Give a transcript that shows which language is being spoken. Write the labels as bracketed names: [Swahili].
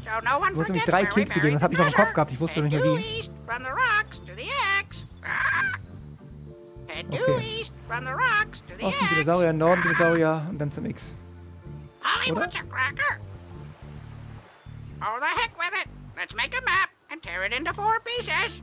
[German] Du hast nämlich drei Kekse gegeben. Das hab ich noch im Kopf gehabt. Ich wusste nicht mehr wie. [English] Head due east from the rocks to the X. Head due east from the rocks to the X. [German] Osten Dinosaurier, Norden Dinosaurier und dann zum X. [English] Hollywood, what's a cracker? Oh, the heck with it. Let's make a map and tear it into four pieces.